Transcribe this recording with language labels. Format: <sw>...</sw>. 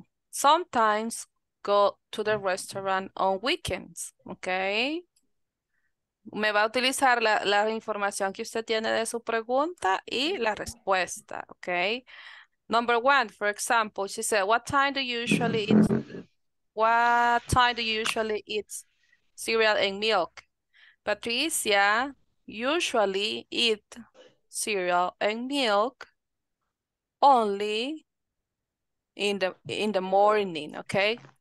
<en>sometimes go to the restaurant on weekends, okay?</en> <es>Me va a utilizar la información que usted tiene de su pregunta y la respuesta, okay?</es> <en>Number one, for example, she said, what time do you usually eat cereal and milk? Patricia usually eat cereal and milk only in the morning, okay?</en>